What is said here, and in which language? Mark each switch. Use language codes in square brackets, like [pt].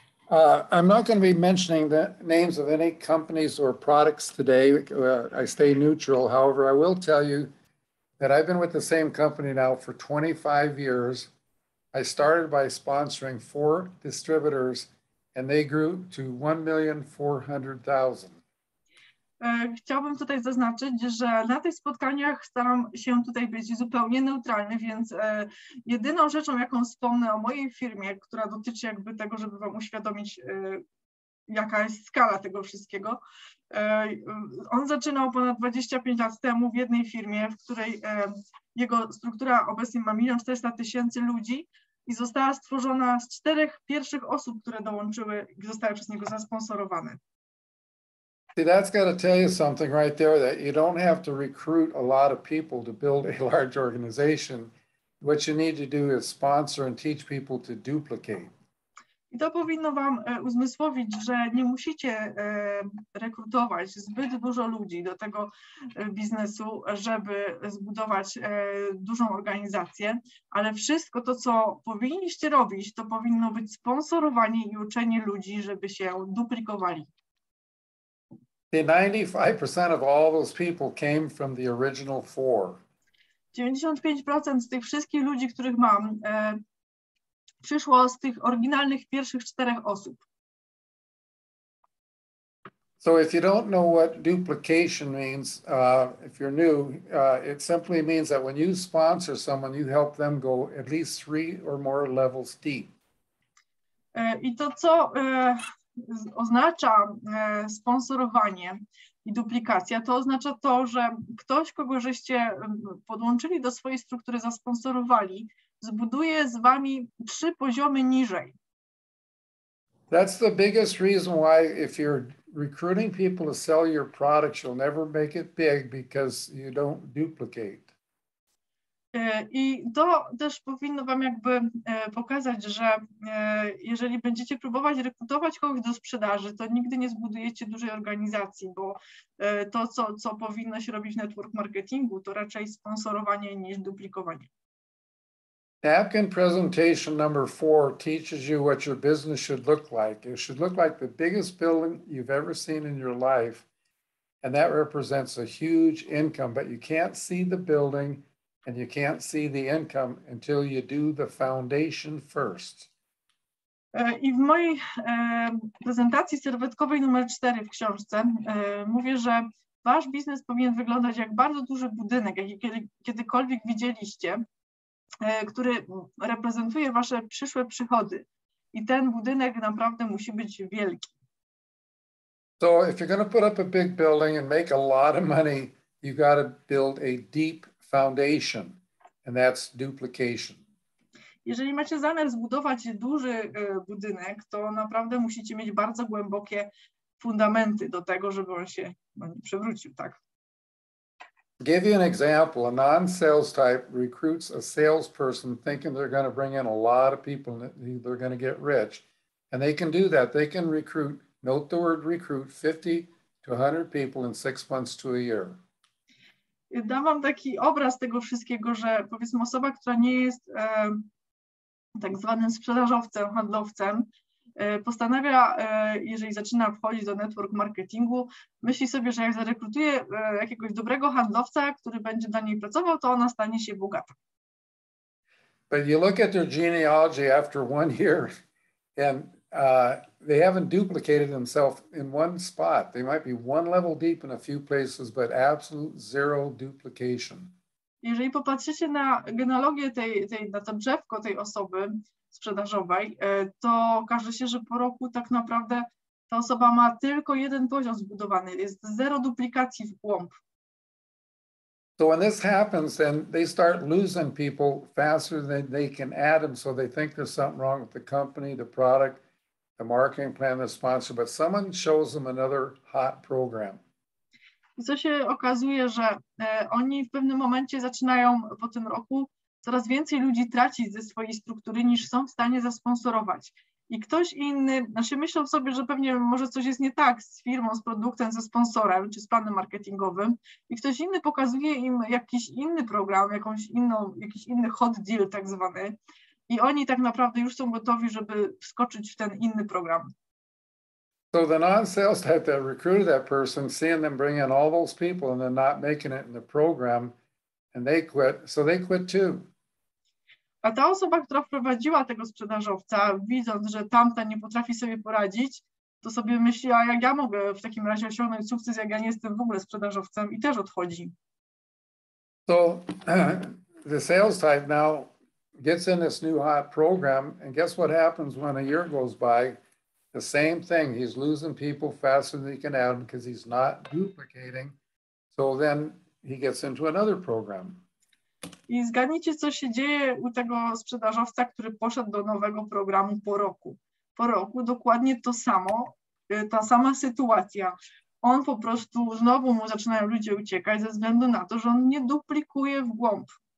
[en] I'm not going to be mentioning the names of any companies or products today. I stay neutral. However, I will tell you that I've been with the same company now for 25 years. I started by sponsoring four distributors, and they grew to 1,400,000. [pl] Chciałbym tutaj zaznaczyć, że na tych spotkaniach staram się tutaj być zupełnie neutralny, więc jedyną rzeczą, jaką wspomnę o mojej firmie, która dotyczy jakby tego, żeby wam uświadomić, jaka jest skala tego wszystkiego. On zaczynał ponad 25 lat temu w jednej firmie, w której jego struktura obecnie ma 1 400 000 ludzi i została stworzona z czterech pierwszych osób, które dołączyły i zostały przez niego zasponsorowane. [en] See, that's got to tell you something right there, that you don't have to recruit a lot of people to build a large organization. What you need to do is sponsor and teach people to duplicate. [pl] I to powinno wam uzmysłowić, że nie musicie rekrutować zbyt dużo ludzi do tego biznesu, żeby zbudować dużą organizację, ale wszystko to, co powinniście robić, to powinno być sponsorowanie i uczenie ludzi, żeby się duplikowali. [en] 95% of all those people came from the original four. [pl] 95% z tych wszystkich ludzi, których mam, przyszło z tych oryginalnych pierwszych czterech osób. [en] So if you don't know what duplication means, if you're new, it simply means that when you sponsor someone, you help them go at least three or more levels deep. [pl] I to co oznacza sponsorowanie i duplikacja, to oznacza to, że ktoś, kogo żeście podłączyli do swojej struktury, zasponsorowali, zbuduje z wami trzy poziomy niżej. [en] That's the biggest reason why if you're recruiting people to sell your products, you'll never make it big because you don't duplicate. [pl] I to też powinno wam jakby pokazać, że jeżeli będziecie próbować rekrutować kogoś do sprzedaży, to nigdy nie zbudujecie dużej organizacji, bo to, co powinno się robić w network marketingu, to raczej sponsorowanie niż duplikowanie. [en] Napkin presentation number four teaches you what your business should look like. It should look like the biggest building you've ever seen in your life, and that represents a huge income, but you can't see the building and you can't see the income until you do the foundation first. [pl] I w mojej prezentacji serwetkowej numer 4 w książce mówię, że wasz biznes powinien wyglądać jak bardzo duży budynek, jaki kiedykolwiek widzieliście, który reprezentuje wasze przyszłe przychody. I ten budynek naprawdę musi być wielki. [en] So if you're going to put up a big building and make a lot of money, you got to build a deep foundation, and that's duplication. [pl] Jeżeli macie zamiar zbudować duży budynek, to naprawdę musicie mieć bardzo głębokie fundamenty do tego, żeby on się przewrócił, tak? [en] Give you an example. A non-sales type recruits a salesperson thinking they're going to bring in a lot of people and they're going to get rich. And they can do that. They can recruit, note the word recruit, 50 to 100 people in 6 months to a year. [pl] Dam wam taki obraz tego wszystkiego, że powiedzmy osoba, która nie jest tak zwanym sprzedażowcem, handlowcem, postanawia, jeżeli zaczyna wchodzić do network marketingu, myśli sobie, że jak zarekrutuje jakiegoś dobrego handlowca, który będzie dla niej pracował, to ona stanie się bogata. [en] But you look at their genealogy after 1 year and they haven't duplicated themselves in one spot. They might be one level deep in a few places, but absolute zero duplication. [pl] Jeżeli popatrzycie na genealogię na to drzewko tej osoby sprzedażowej, to okaże się, że po roku tak naprawdę ta osoba ma tylko jeden poziom zbudowany, jest zero duplikacji w głąb. [en] So when this happens, then they start losing people faster than they can add them, so they think there's something wrong with the company, the product, the marketing plan, the sponsor, but someone shows them another hot program. [pl] I co się okazuje, że oni w pewnym momencie zaczynają po tym roku coraz więcej ludzi tracić ze swojej struktury, niż są w stanie zasponsorować. i ktoś inny, znaczy myślą sobie, że pewnie może coś jest nie tak z firmą, z produktem, ze sponsorem czy z planem marketingowym i ktoś inny pokazuje im jakiś inny program, jakąś inną, jakiś inny [en] hot deal [pl] tak zwany i oni tak naprawdę już są gotowi, żeby wskoczyć w ten inny program. [en] So the non-sales have to recruit that person, seeing them bring in all those people and then not making it in the program, and they quit, so they quit too. [pl] A ta osoba, która wprowadziła tego sprzedażowca, widząc, że tamta nie potrafi sobie poradzić, to sobie myśli, a jak ja mogę w takim razie osiągnąć sukces, jak ja nie jestem w ogóle sprzedażowcem i też odchodzi. [en] So the sales type now gets in this new hot program and guess what happens when a year goes by? The same thing, he's losing people faster than he can add because he's not duplicating. So then he gets into another program. [pl] I zgadnijcie, co się dzieje u tego sprzedażowca, który poszedł do nowego programu po roku. Po roku dokładnie to samo, ta sama sytuacja. On po prostu, znowu mu zaczynają ludzie uciekać ze względu na to, że on nie duplikuje w głąb.